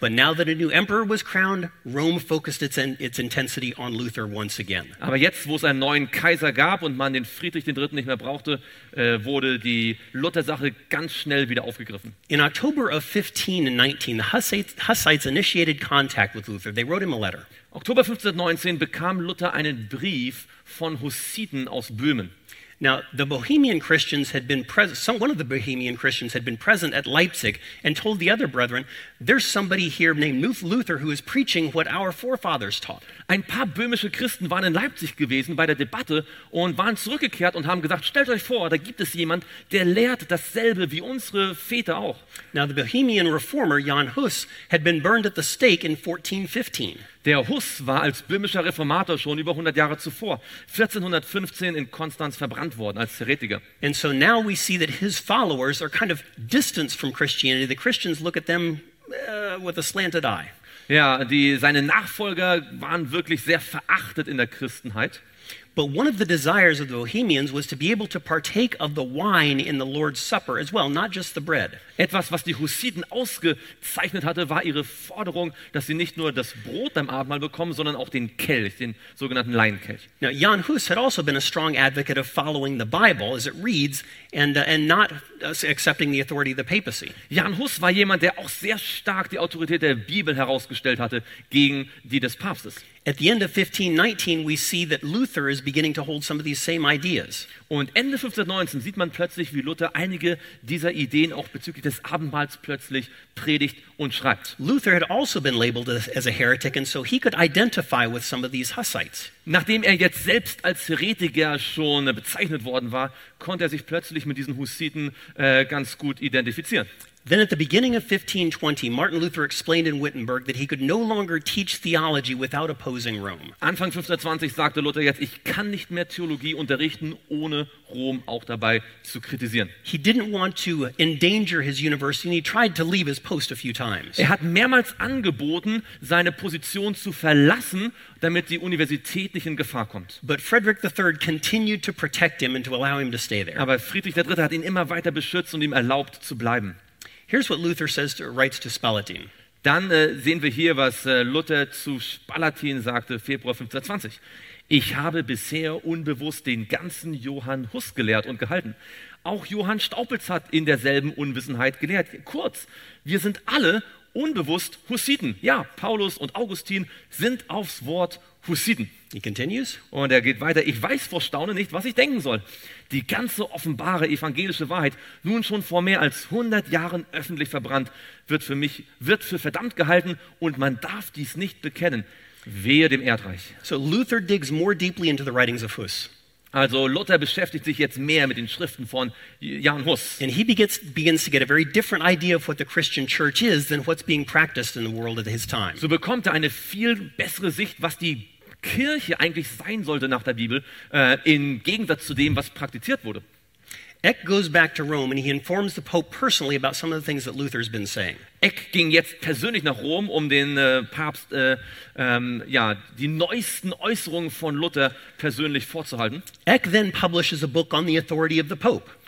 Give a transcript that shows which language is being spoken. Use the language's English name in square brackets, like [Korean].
[English] But now that a new emperor was crowned, Rome focused its intensity on Luther once again. [German] Aber jetzt, wo es einen neuen Kaiser gab und man den Friedrich III. Nicht mehr brauchte, wurde die Luther-Sache ganz schnell wieder aufgegriffen. [English] In October of 1519, the Hussites initiated contact with Luther. They wrote him a letter. [German] Oktober 1519 bekam Luther einen Brief von Hussiten aus Böhmen. [English] Now the Bohemian Christians had been present. One of the Bohemian Christians had been present at Leipzig and told the other brethren, "There's somebody here named Luther who is preaching what our forefathers taught." [German] Ein paar böhmische Christen waren in Leipzig gewesen bei der Debatte und waren zurückgekehrt und haben gesagt: "Stellt euch vor, da gibt es jemand, der lehrt dasselbe wie unsere Väter auch." [English] Now the Bohemian reformer Jan Hus had been burned at the stake in 1415. [German] Der Hus war als böhmischer Reformator schon über 100 Jahre zuvor, 1415 in Konstanz verbrannt worden als Heretiker. [English] And so now we see that his followers are kind of distanced from Christianity. The Christians look at them with a slanted eye. [German] Ja, seine Nachfolger waren wirklich sehr verachtet in der Christenheit. [English] But one of the desires of the Bohemians was to be able to partake of the wine in the Lord's Supper as well, not just the bread. [German] Etwas, was die Hussiten ausgezeichnet hatte, war ihre Forderung, dass sie nicht nur das Brot beim Abendmahl bekommen, sondern auch den Kelch, den sogenannten Leinkelch. [English] Now, Jan Hus had also been a strong advocate of following the Bible, as it reads, and not accepting the authority of the papacy. [German] Jan Hus war jemand, der auch sehr stark die Autorität der Bibel herausgestellt hatte gegen die des Papstes. [English] At the end of 1519 we see that Luther is beginning to hold some of these same ideas. [German] Und Ende 1519 sieht man plötzlich, wie Luther einige dieser Ideen auch bezüglich des Abendmahls plötzlich predigt und schreibt. [English] Luther had also been labeled as a heretic and so he could identify with some of these Hussites. [German] Nachdem er jetzt selbst als Heretiker schon bezeichnet worden war, konnte er sich plötzlich mit diesen Hussiten ganz gut identifizieren. [English] Then at the beginning of 1520, Martin Luther explained in Wittenberg that he could no longer teach theology without opposing Rome. [German] Anfang 1520 sagte Luther jetzt, ich kann nicht mehr Theologie unterrichten, ohne Rom auch dabei zu kritisieren. [English] He didn't want to endanger his university and he tried to leave his post a few times. [German] Er hat mehrmals angeboten, seine Position zu verlassen, damit die Universität nicht in Gefahr kommt. [English] But Frederick III continued to protect him and to allow him to stay there. [German] Aber Friedrich III. Hat ihn immer weiter beschützt und ihm erlaubt zu bleiben. [English] Here's what Luther says to, writes to Spalatin. [German] Dann sehen wir hier, was Luther zu Spalatin sagte, Februar 1520. Ich habe bisher unbewusst den ganzen Johann Hus gelehrt und gehalten. Auch Johann Staupitz hat in derselben Unwissenheit gelehrt. Kurz, wir sind alle unbewusst Hussiten. Ja, Paulus und Augustin sind aufs Wort Hussiten. [English] He continues. [German] Und er geht weiter. Ich weiß vor Staunen nicht, was ich denken soll. Die ganze offenbare evangelische Wahrheit, nun schon vor mehr als 100 Jahren öffentlich verbrannt, wird für verdammt gehalten und man darf dies nicht bekennen. Wehe dem Erdreich. [English] So Luther digs more deeply into the writings of Hus. [German] Also Luther beschäftigt sich jetzt mehr mit den Schriften von Jan Hus. [English] And he begins to get a very different idea of what the Christian church is than what's being practiced in the world at his time. [German] So bekommt er eine viel bessere Sicht, was die Kirche eigentlich sein sollte nach der Bibel, im Gegensatz zu dem, was praktiziert wurde. [English] Eck goes back to Rome and he informs the Pope personally about some of the things that Luther's been saying. [German] Eck ging jetzt persönlich nach Rom, um den Papst die neuesten Äußerungen von Luther persönlich vorzuhalten. [English] Eck then publishes a book on the authority of the Pope.